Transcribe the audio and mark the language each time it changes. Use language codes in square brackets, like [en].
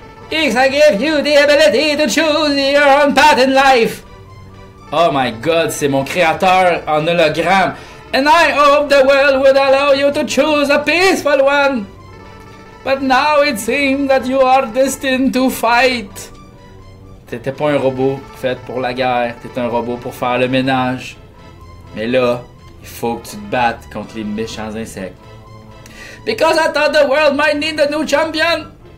[en] X, I give you the ability to choose your own path in life! Oh my god, [fr] c'est mon créateur en hologramme! [en] And I hope the world would allow you to choose a peaceful one! But now it seems that you are destined to fight! [fr] T'étais pas un robot fait pour la guerre, t'étais un robot pour faire le ménage. Mais là, il faut que tu te battes contre les méchants insectes. [en] Because I thought the world might need a new champion!